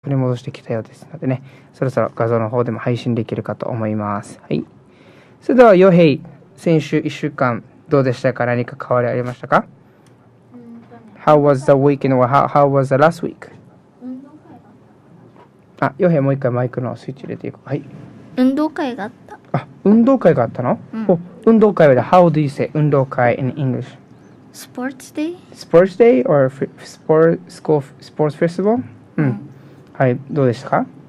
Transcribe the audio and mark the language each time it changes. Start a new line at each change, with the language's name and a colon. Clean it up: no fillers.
Japanese: 取り戻してきたようですのでね、そろそろ画像の方でも配信できるかと思います。はい、それではヨヘイ、先週1週間どうでしたか？何か変わりありましたか？
English: How was the week in or how was the last week?
Japanese: 運動会。あ、ヨヘイもう一回マイクのスイッチ入れていこう。はい、運動会があった。あ、運動会があったの、うん、
English: 運動会は How do you say 運動会 in English? Sports day? Sports day or school sports festival?
Japanese: うん、うん、はい、どうでしたか？